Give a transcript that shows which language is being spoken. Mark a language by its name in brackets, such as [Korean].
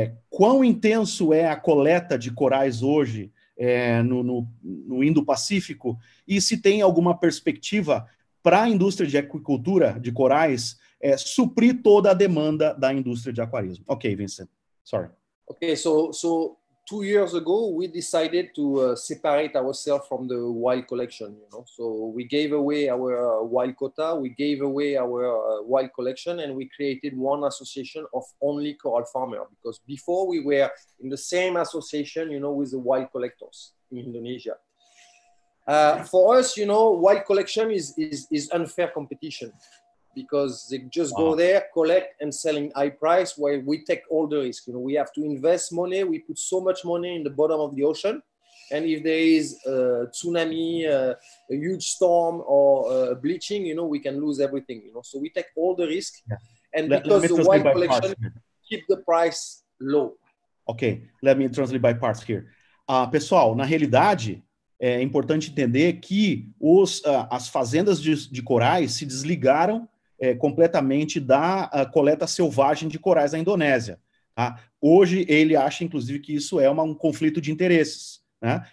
[Portuguese] Quão intenso é a coleta de corais hoje no Indo-Pacífico e se tem alguma perspectiva para a indústria de aquicultura de corais suprir toda a demanda da indústria de aquarismo? [English] Ok, Vincent. Sorry. Ok, so 2 years ago we decided to separate ourselves from the wild collection, you know. So we gave away our wild quota, we gave away our wild collection, and we created one association of only coral farmers, because before we were in the same association, you know, with the wild collectors in Indonesia. For us, you know, wild collection is unfair competition, because they just go there, collect, and selling high price, while we take all the risk. You know, we have to invest money. We put so much money in the bottom of the ocean. And if there is a tsunami, a huge storm, or bleaching, you know, we can lose everything, you know. So we take all the risk. Yeah. And because the wide collection keep the price low. Okay, let me translate by parts here. [Portuguese] Pessoal, na realidade, é importante entender que as fazendas de corais se desligaram completamente da coleta selvagem de corais na Indonésia. Tá? Hoje, ele acha, inclusive, que isso é um conflito de interesses. Né?